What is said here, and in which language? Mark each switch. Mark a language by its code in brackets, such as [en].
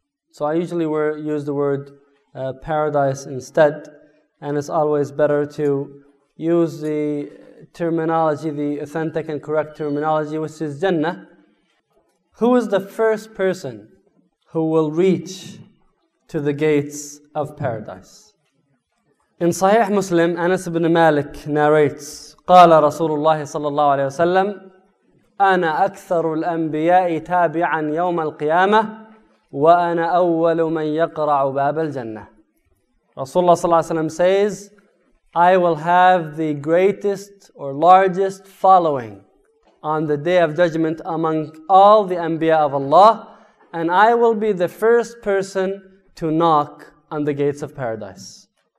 [en] So I usually use the word Paradise instead, and it's always better to use the terminology, the authentic and correct terminology, which is Jannah. Who is the first person who will reach to the gates of Paradise? In Sahih Muslim, Anas ibn Malik narrates, [ar] قال رسول الله صلى الله عليه وسلم أنا أكثر الأنبياء تابعا يوم القيامة وأنا أول من يقرع باب الجنة. رسول الله صلى الله عليه وسلم [en] says, I will have the greatest or largest following on the Day of Judgment among all the Anbiya of Allah, and I will be the first person to knock on the gates of Paradise.